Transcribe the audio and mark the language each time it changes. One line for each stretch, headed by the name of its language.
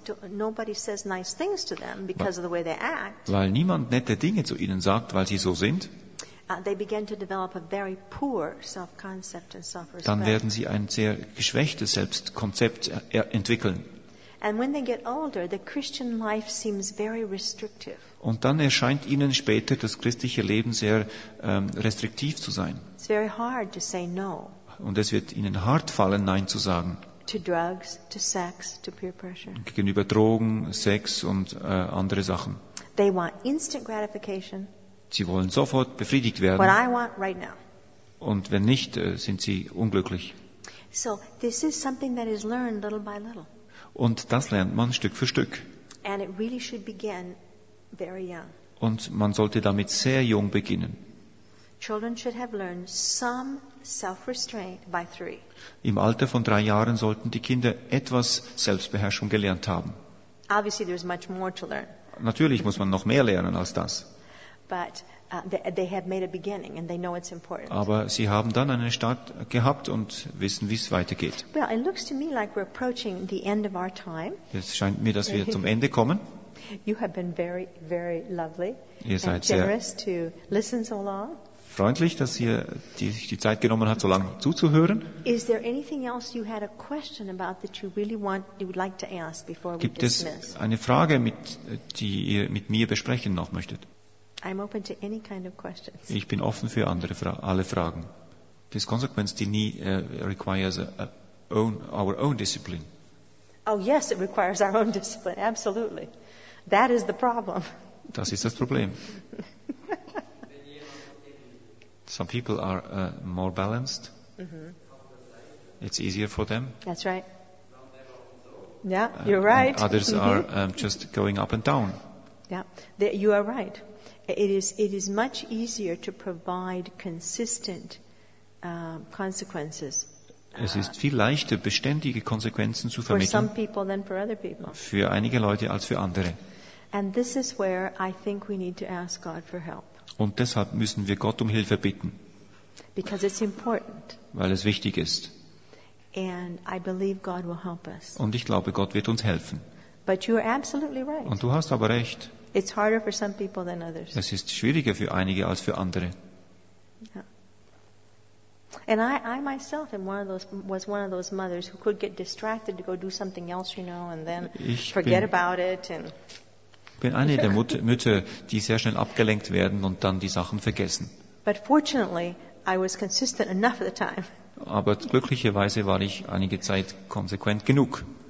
English: Nobody says nice things to them because of the way they act.
German: Weil niemand nette Dinge zu ihnen sagt, weil sie so sind.
English: They begin to develop a very poor self-concept and self-respect.
German: Dann werden sie ein sehr geschwächtes Selbstkonzept entwickeln.
English: And when they get older, the Christian life seems very restrictive.
German: Und dann erscheint ihnen später das christliche Leben sehr restriktiv zu sein.
English: It's very hard to say no.
German: Und es wird ihnen hart fallen, nein zu sagen.
English: To drugs, to sex, to peer pressure.
German: Gegenüber Drogen, Sex und andere Sachen.
English: They want instant gratification.
German: Sie wollen sofort befriedigt werden.
English: What I want right now.
German: Und wenn nicht, sind sie unglücklich.
English: So this is something that is learned little by little.
German: Und das lernt man Stück für Stück.
English: And it really should begin very young.
German: Und man sollte damit sehr jung beginnen.
English: Children should have learned some self-restraint by three.
German: Im Alter von 3 Jahren sollten die Kinder etwas Selbstbeherrschung gelernt haben.
English: Obviously there's much more to learn.
German: Natürlich muss man noch mehr lernen als das.
English: But they have made a beginning and they know it's important.
German: Aber sie haben dann einen Start gehabt und wissen, wie es weitergeht.
English: Well, it looks to me like we're approaching the end of our time.
German: Es scheint mir, dass wir zum Ende kommen.
English: You have been very, very lovely
German: ihr seid
English: and generous to listen so long.
German: freundlich, dass ihr sich die Zeit genommen habt, so lange zuzuhören.
English: Is there anything else you had a question about that you really want, you would like to ask before we
German: Gibt es eine Frage, mit, die ihr mit mir besprechen noch möchtet?
English: I'm open to any kind of questions.
German: Ich bin offen für andere alle Fragen.
English: This consequence, the knee requires our own discipline. Oh yes, it requires our own discipline, absolutely. That is the problem.
German: Das ist das Problem.
English: Some people are more balanced. Mm-hmm. It's easier for them. That's right. Yeah, you're right. Others are just going up and down. Yeah, you are right. It is much easier to provide consistent consequences.
German: Es ist viel leichter, beständige Konsequenzen zu vermitteln.
English: For some people than for other people.
German: Für einige Leute als für andere.
English: And this is where I think we need to ask God for help.
German: Und deshalb müssen wir Gott um Hilfe bitten.
English: Because it's important.
German: Weil es wichtig ist.
English: And I believe God will help us.
German: Und ich glaube, Gott wird uns helfen.
English: But you are absolutely right.
German: Und du hast aber recht.
English: It's harder for some people than others.
German: Es ist schwieriger für einige als für andere.
English: Yeah. And I myself am one of those, was one of those mothers who could get distracted to go do something else, you know, and then forget about it and...
German: Ich bin eine der Mütter, die sehr schnell abgelenkt werden und dann die Sachen vergessen.
English: But fortunately, I was consistent enough at the time.
German: Aber glücklicherweise war ich einige Zeit konsequent genug.